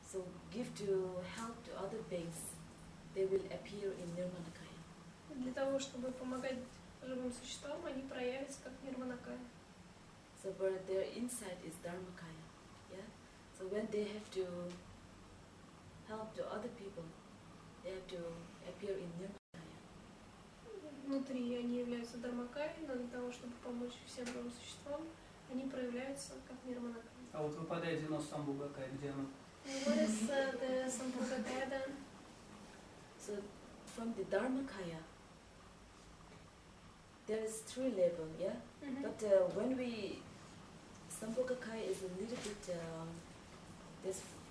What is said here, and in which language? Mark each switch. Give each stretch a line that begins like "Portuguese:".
English: So, give to help to other beings, they will appear in Nirmanakaya.
Russian: Для того, чтобы помогать живым существам, они проявятся как Нирманакая.
English: So, but their inside is Dharmakaya, yeah? So, when they have to help to other people, they have to appear in Nirmanakaya.
Russian: Внутри они являются Дармакая, но для того, чтобы помочь всем живым существам, они проявляются как Нирманакая. А вот выпадает из нас Самбхугакая, где она?
English: What is the Самбхугакая then? So, from the Dharmakaya, there is three levels, yeah? Mm-hmm. But when we... Sambhugakaya is a little bit... this.